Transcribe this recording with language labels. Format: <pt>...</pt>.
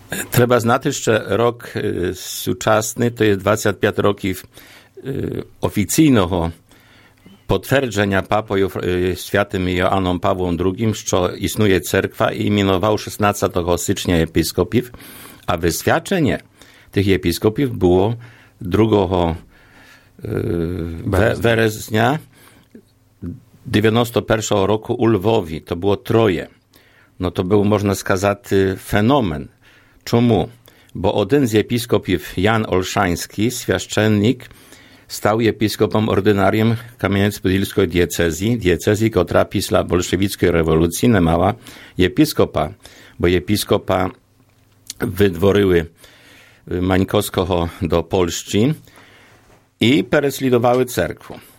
<uk>Треба знати, що рік сучасний, то є 25 років офіційного підтвердження папою святим Іоанном Павлом II, що існує церква, і іменував 16 січня єпископів. А висвячення тих єпископів було 2 березня 91 року у Львові. То було троє.</uk> <pl>No, to był, można</pl> <uk>сказати, феномен. Чому? Бо один з єпископів, Ян Ольшанський, священник, став єпископом ординарієм Кам'янець-Подільської дієцезії, дієцезії, котра після большевицької революції не мала єпископа, бо єпископа видворили Маньковського до Польщі і переслідували церкву.</uk>